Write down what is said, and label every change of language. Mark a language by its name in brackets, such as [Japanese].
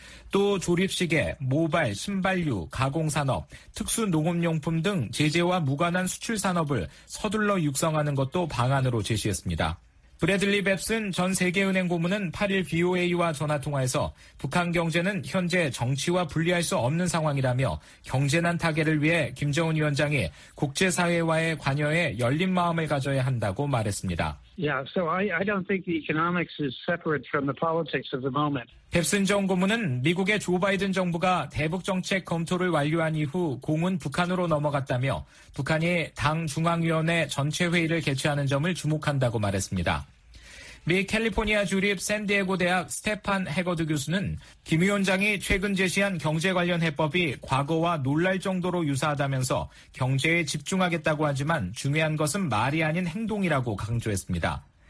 [Korean] 또 조립시계, 모발, 신발류, 가공산업, 특수 농업용품 등 제재와 무관한 수출 산업을 서둘러 육성하는 것도 방안으로 제시했습니다. 브래들리 뱁슨 전 세계은행 고문은 8일 BOA와 전화통화에서 북한 경제는 현재 정치와 분리할 수 없는 상황이라며 경제난 타개를 위해 김정은 위원장이 국제사회와의 관여에 열린 마음을 가져야 한다고 말했습니다. [English] Yeah, so I don't think the economics is separate from the politics of the moment. [Korean] 뱁슨 전 고문은 미국의 조 바이든 정부가 대북 정책 검토를 완료한 이후 공은 북한으로 넘어갔다며 북한이 당 중앙위원회 전체 회의를 개최하는 점을 주목한다고 말했습니다. 미 캘리포니아 주립 샌디에고 대학 스테판 해거드 교수는 김 위원장이 최근 제시한 경제 관련 해법이 과거와 놀랄 정도로 유사하다면서 경제에 집중하겠다고 하지만 중요한 것은 말이 아닌 행동이라고 강조했습니다.